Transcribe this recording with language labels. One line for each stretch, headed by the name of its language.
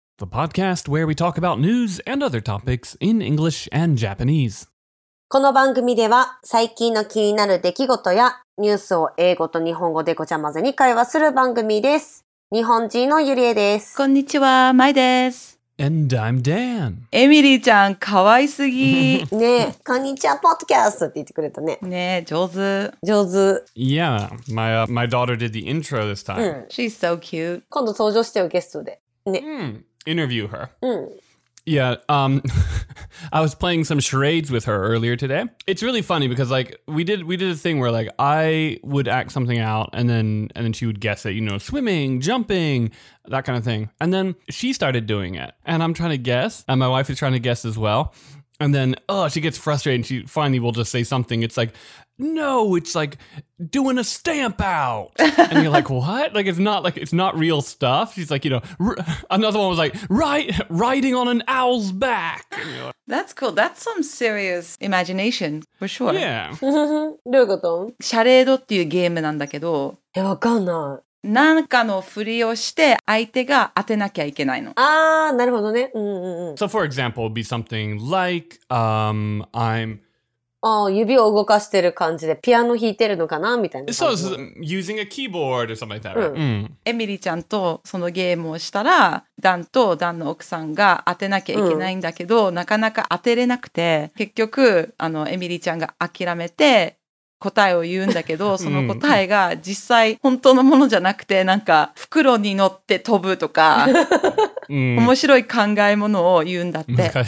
English: The podcast where we talk about news and other topics in English and Japanese.
Japanese: この番組では最近の気になる出来事やニュースを英語と日本語でごちゃ混ぜに会話する番組です。日本人のゆりえです。こんにちは、まいです。
English: And I'm Dan.
Japanese: エミリーちゃん、かわいすぎ。ねえ、こんにちは、ポッドキャストって言ってくれたね。ねえ、上手。上手。
English: Yeah, my daughter did the intro this time.、うん、She's so cute.
Japanese: 今度登場してよ、ゲストで。ね。
English: Mm. Interview her.、
Japanese: うん、
English: yeah, I was playing some charades with her earlier today. It's really funny because, like, we did a thing where, like, I would act something out and then she would guess it, you know, swimming, jumping, that kind of thing. And then she started doing it. And I'm trying to guess. And my wife is trying to guess as well. And then, oh, she gets frustrated and she finally will just say something. It's like, no, it's like doing a stamp out. And you're like, what? Like, it's not real stuff. She's like, you know, another one was like, riding on an owl's back. Like, that's cool. That's some serious imagination, for sure. Yeah.
Japanese: どういうこと？シャレードっていうゲームなんだけど。え、わかんない。なんかのふりをして相手が当てなきゃいけないの。ああ、なるほどね。うんうんうん。
English: So for example, it'd be something like, I'm...
Japanese: ああ、指を動かしてる感じでピアノ弾いてるのかなみたいな。
English: So, using a keyboard or something like that, right?
Japanese: うん。エミリーちゃんとそのゲームをしたら、ダンとダンの奥さんが当てなきゃいけないんだけど、うん、なかなか当てれなくて、結局、エミリーちゃんが諦めて、答えを言うんだけど、その答えが実際本当のものじゃなくて、なんか袋に乗って飛ぶとか、面白い考え物を言うんだって。